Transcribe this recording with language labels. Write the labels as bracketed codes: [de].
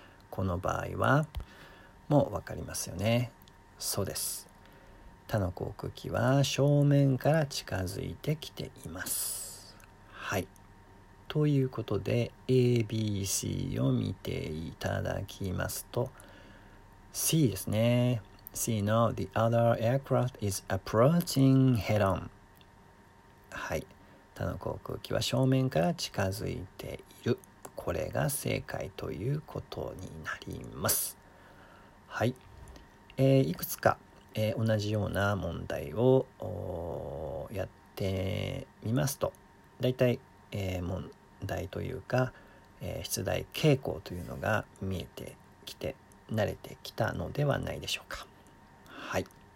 [ja] この場合はもう分かりますよね。そうです。他の航空機は正面から近づいてきています。はい。ということで ABC を見ていただきますと C ですね。 C の [en] The other aircraft is approaching head on. [ja] はい。他の航空機は正面から近づいている。これが正解ということになります。はい。いくつか、同じような問題をやってみますと、だいたい問題というか、出題傾向というのが見えてきて、慣れてきたのではないでしょうか。はい。